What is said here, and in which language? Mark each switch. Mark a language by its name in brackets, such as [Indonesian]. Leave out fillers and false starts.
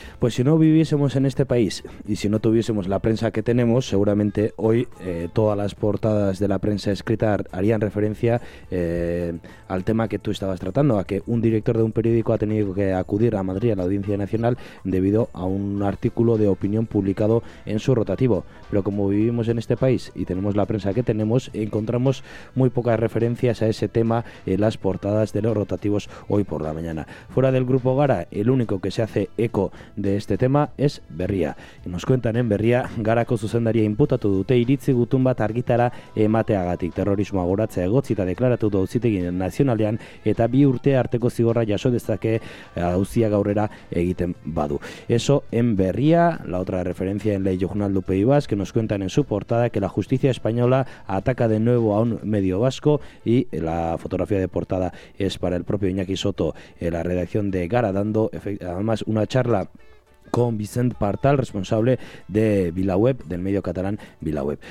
[Spanish] Pues si no viviésemos en este país y si no tuviésemos la prensa que tenemos, seguramente hoy todas las portadas de la prensa escrita harían referencia al tema que tú estabas tratando, a que un director de un periódico ha tenido que acudir a Madrid, a la Audiencia Nacional, debido a un artículo de opinión publicado en su rotativo. Pero como vivimos en este país y tenemos la prensa que tenemos, encontramos muy pocas referencias a ese tema en las portadas de los rotativos hoy por la mañana. Fuera del Grupo Gara, el único que se hace eco de este tema es Berria. Nos cuentan en Berria, [Basque] Garako zuzendaria inputatu dute iritzi gutun bat argitara emateagatik, terrorismoa goratzea egotzita deklaratu du auzitegi nazionalean eta bi urte arteko zigorra jaso dezake auzia gaurrera egiten badu. [Spanish] Eso en Berria, la otra referencia en Ley Journal du Pays Basque, que nos cuentan en su portada que la justicia española ataca de nuevo a un medio vasco, y la fotografía de portada es para el propio Iñaki Soto en la redacción de Gara, dando además una charla con Vicent Partal, responsable de Vilaweb, del medio catalán Vilaweb.